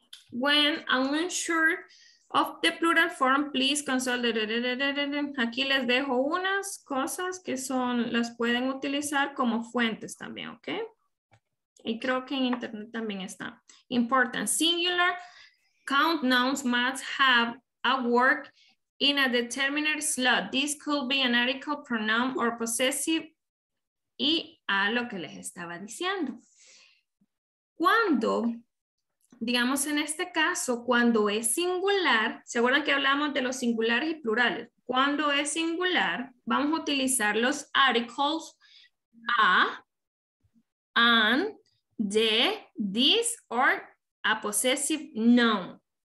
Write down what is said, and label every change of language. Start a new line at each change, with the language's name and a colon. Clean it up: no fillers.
English: When I'm unsure of the plural form, please consult.
Spanish: Aquí les dejo unas cosas que son, las pueden utilizar como fuentes también, ¿ok? Y creo que en internet también está.
English: Important. Singular count nouns must have a word in a determined slot. This could be an article, pronoun, or possessive.
Spanish: Y a lo que les estaba diciendo. Cuando, digamos en este caso, cuando es singular, ¿se acuerdan que hablamos de los singulares y plurales? Cuando es singular, vamos a utilizar los articles
English: a, an, de, this, or a possessive noun.